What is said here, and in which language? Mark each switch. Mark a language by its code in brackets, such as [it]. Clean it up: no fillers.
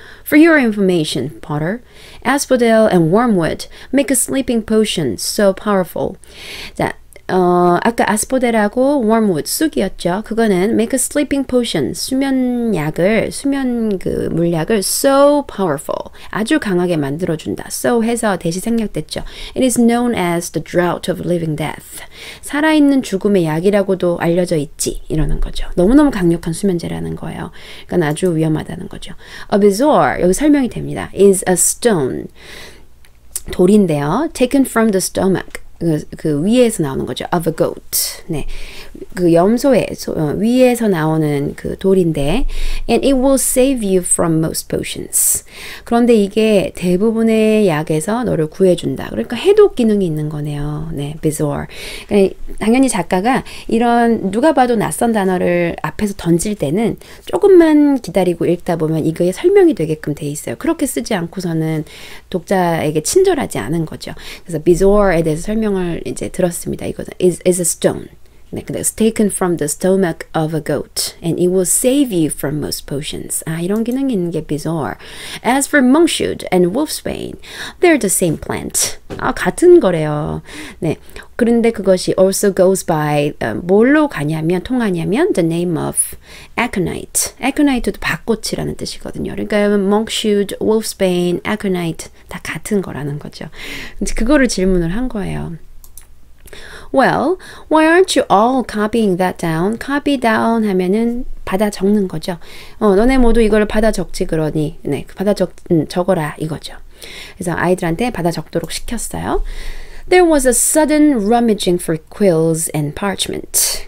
[en] For your information, Potter, Asphodel and Wormwood make a sleeping potion so powerful. [ko] 자, 아까 Asphodel하고 Wormwood, 쑥이었죠. 그거는 [en] make a sleeping potion, [ko] 수면 그 물약을 [en] so powerful, [ko] 아주 강하게 만들어준다. So 해서 대시 생략됐죠. [en] It is known as the draught of living death. [ko] 살아있는 죽음의 약이라고도 알려져 있지. 이러는 거죠. 너무너무 강력한 수면제라는 거예요. 그건 아주 위험하다는 거죠. [en] Abizor, [ko] 여기 설명이 됩니다. [en] Is a stone. [ko] 돌인데요. [en] Taken from the stomach. [ko] 그 위에서 나오는 거죠. [en] of a goat. [ko] 네. 그 염소의 위에서 나오는 그 돌인데, [en] and it will save you from most potions. [ko] 그런데 이게 대부분의 약에서 너를 구해준다. 그러니까 해독 기능이 있는 거네요. 네, bizarre. 당연히 작가가 이런 누가 봐도 낯선 단어를 앞에서 던질 때는 조금만 기다리고 읽다 보면 이거에 설명이 되게끔 돼 있어요. 그렇게 쓰지 않고서는 독자에게 친절하지 않은 거죠. 그래서 bizarre에 대해서 설명을 이제 들었습니다. 이거는 [en] is a stone. [ko] 네, 근데 [en] it's taken from the stomach of a goat and it will save you from most potions. [ko] 아, 이런 기능이 있는 게 bizarre. [en] As for monkshood and wolfsbane, they're the same plant. [ko] 아, 같은 거래요. 네, 그런데 그것이 [en] also goes by [ko] 뭘로 가냐면 통하냐면 [en] the name of aconite. [ko] aconite도 박꽃이라는 뜻이거든요. 그러니까 monkshood, wolfsbane, aconite 다 같은 거라는 거죠. 그거를 질문을 한 거예요. [en] Well, why aren't you all copying that down? [ko] Copy down 하면은 받아 적는 거죠. 너네 모두 이걸 받아 적지 그러니, 네, 받아 적어라 이거죠. 그래서 아이들한테 받아 적도록 시켰어요. [en] There was a sudden rummaging for quills and parchment.